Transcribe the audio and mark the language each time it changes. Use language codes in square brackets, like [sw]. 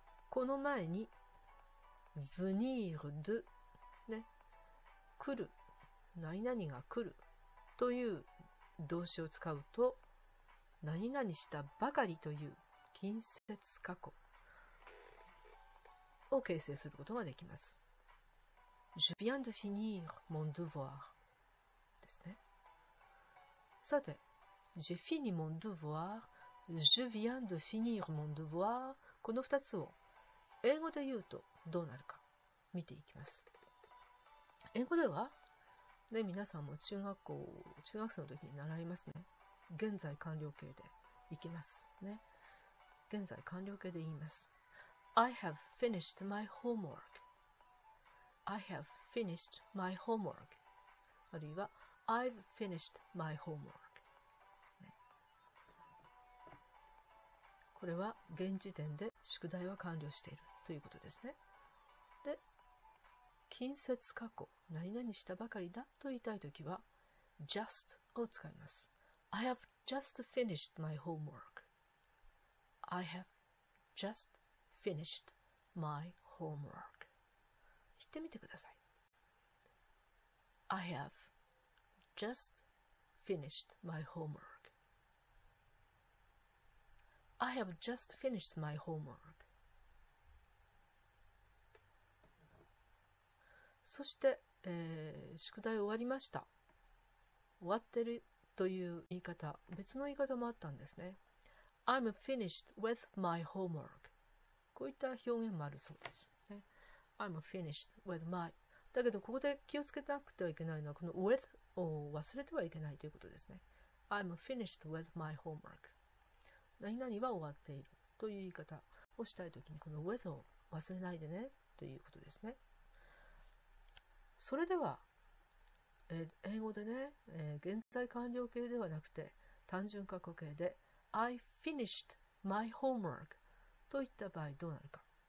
[ja] この前に venir de ね、来る、何々が来るという動詞を使うと、何々したばかりという近接過去を形成することができます。 [fr] Je viens de finir mon devoir [ja] ですね。 [fr] さて、J'ai fini mon devoir, je viens de finir mon devoir。 [ja] この二つを英語で言うとどうなるか見ていきます。英語では、ね、皆さんも中学生の時に習いますね。現在完了形でいきますね。現在完了形で言います。 [en] I have finished my homework. I have finished my homework. [ja] あるいは [en] I've finished my homework、ね。 [ja] これは現時点で宿題は完了しているということですね。で、近接過去、何々したばかりだと言いたいときは、just を使います。 [en] I have just finished my homework. I have just finished my homework. [ja] 言ってみてください。 [en] I have just finished my homework. I have just finished my homework. [ja] そして、宿題終わりました。終わってるという言い方、別の言い方もあったんですね。 [en] I'm finished with my homework。 [ja] こういった表現もあるそうです、ね。 [en] I'm finished with my。 [ja] だけど、ここで気をつけなくてはいけないのは、この with を忘れてはいけないということですね。 [en] I'm finished with my homework。 [ja] 何々は終わっているという言い方をしたいときに、この with を忘れないでねということですね。それでは、英語でね、現在完了形ではなくて単純過去形で [en] I finished my homework [ja] といった場合どうなるか、